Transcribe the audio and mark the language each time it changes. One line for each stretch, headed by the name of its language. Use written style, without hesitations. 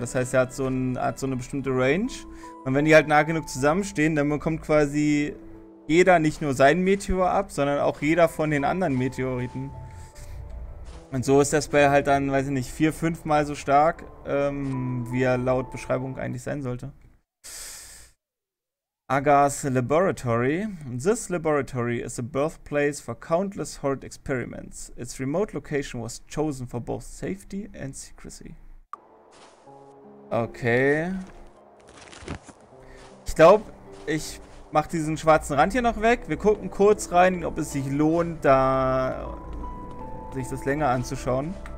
German: Das heißt, er hat so, so eine bestimmte Range. Und wenn die halt nah genug zusammenstehen, dann bekommt quasi jeder nicht nur seinen Meteor ab, sondern auch jeder von den anderen Meteoriten. Und so ist der Spell halt dann, weiß ich nicht, 4-5 mal so stark, wie er laut Beschreibung eigentlich sein sollte.
English: Agar's Laboratory. This laboratory is a birthplace for countless horrid experiments. Its remote location was chosen for both safety and secrecy. Okay.
German: Ich glaube, ich mache diesen schwarzen Rand hier noch weg. Wir gucken kurz rein, ob es sich lohnt, da sich das länger anzuschauen.